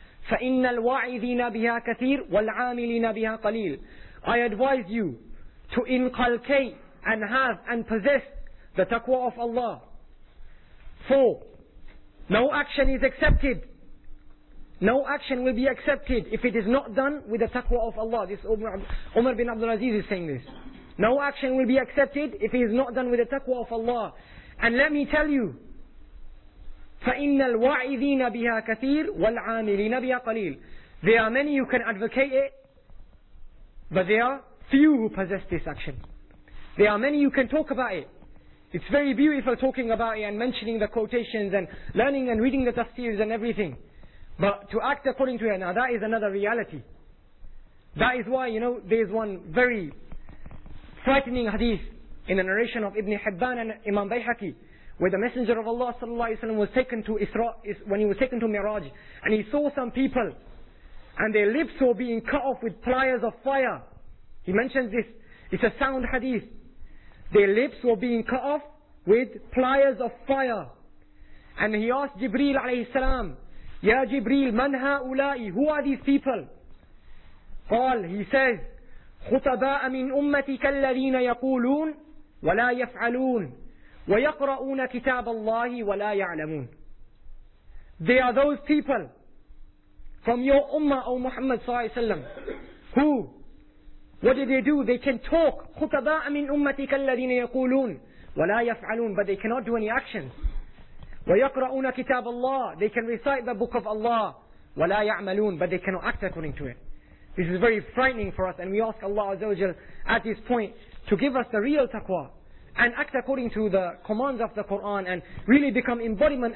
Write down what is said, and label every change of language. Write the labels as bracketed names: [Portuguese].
[Arabic] فإن الواعظين بها كثير والعاملين بها قليل. [English] I advise you to inculcate and have and possess the taqwa of Allah. 4. No action is accepted. No action will be accepted if it is not done with the taqwa of Allah. This Umar bin Abdul Aziz is saying this. No action will be accepted if it is not done with the taqwa of Allah. And let me tell you, [Arabic] فَإِنَّ الْوَعِذِينَ بِهَا كَثِيرٌ وَالْعَامِلِينَ بِهَا قَلِيلٌ. [English] There are many who can advocate it, but there are few who possess this action. There are many who can talk about it. It's very beautiful talking about it and mentioning the quotations and learning and reading the tafsirs and everything. But to act according to it, now that is another reality. That is why, you know, there is one very frightening hadith in the narration of Ibn Hibban and Imam Bayhaqi, where the Messenger of Allah sallallahu alaihi wasallam was taken to Isra, when he was taken to Miraj, and he saw some people, and their lips were being cut off with pliers of fire. He mentions this. It's a sound hadith. Their lips were being cut off with pliers of fire. And he asked Jibreel alayhi salam, Ya Jibreel, [Arabic] man ha'ulai? [English] Who are these people? [Arabic] قال, [English] he says, [Arabic] خطباء من أمتك الذين يقولون ولا يفعلون ويقرؤون كتاب الله ولا يعلمون. [English] They are those people from your ummah, O Muhammad sallallahu alayhi wa sallam, who, what do they do? They can talk. [Arabic] خطباء من أمتك الذين يقولون ولا يفعلون, [English] but they cannot do any action. [Arabic] ويقرؤون كتاب الله, [English] they can recite the book of Allah, [Arabic] ولا يعملون, [English] but they cannot act according to it. This is very frightening for us, and we ask Allah Azza wa Jal at this point to give us the real taqwa and act according to the commands of the Quran and really become embodiment.